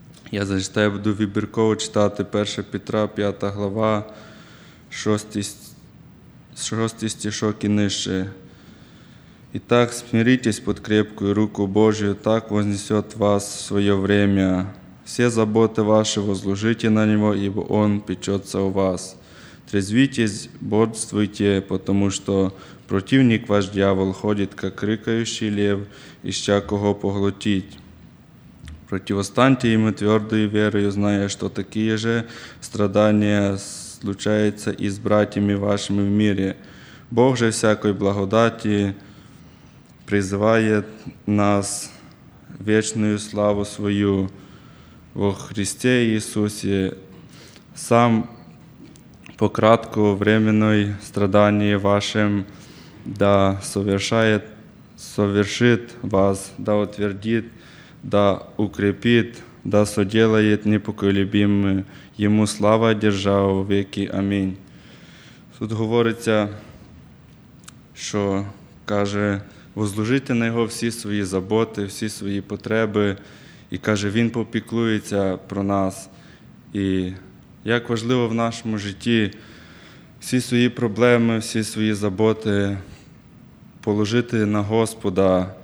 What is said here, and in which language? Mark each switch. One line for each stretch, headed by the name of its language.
Ukrainian: Я зачитаю, буду вибірково читати 1 Петра, 5 глава, 6 стишок і нижче.
Russian: «І так смиритесь під крепкою руку Божою, так вознесет вас в своє время. Все заботи ваші возложите на Него, ібо Он печеться у вас. Трезвіться, бодрствуйте, потому что противник ваш дьявол ходит, как рыкающий лев, ища кого поглотить. Противостаньте ему твердою верою, зная, что такие же страдания случаются и с братьями вашими в мире. Бог же всякой благодати призывает нас вечную славу свою во Христе Иисусе. Сам по кратку временной страдании вашим да совершает, совершит вас, да утвердит, да укрепит, да соделает непоколебимым. Ему слава державу веки. Аминь.
Ukrainian: Тут говорится, що каже, возложити на Його всі свої заботи, всі свої потреби, і каже, Він попіклується про нас. І як важливо в нашому житті всі свої проблеми, всі свої заботи положити на Господа.